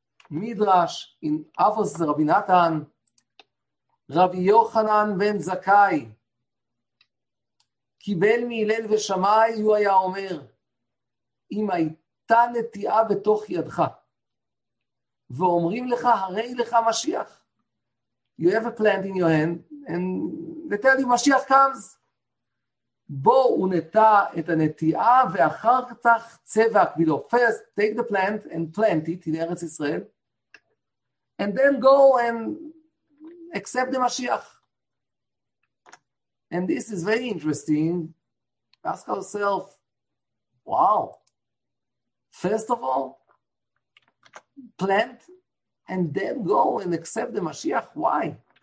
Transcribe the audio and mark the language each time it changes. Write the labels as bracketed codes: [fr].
[he] midrash in Avos Rabbi Natan, Rabbi Yochanan ben Zakkai, kibel mihilel veshamai, hu haya omer, im hayta netia betoch yadcha, ואומרים לך, הרי לך משיח. [en] You have a plant in your hand, and they tell you, משיח comes. [he] בוא ונטע את הנטיעה, ואחר כך צבע קבילו. [en] First, take the plant and plant it in ארץ ישראל, and then go and accept the משיח. And this is very interesting. Ask yourself, wow, first of all, plant and then go and accept the Mashiach. Why?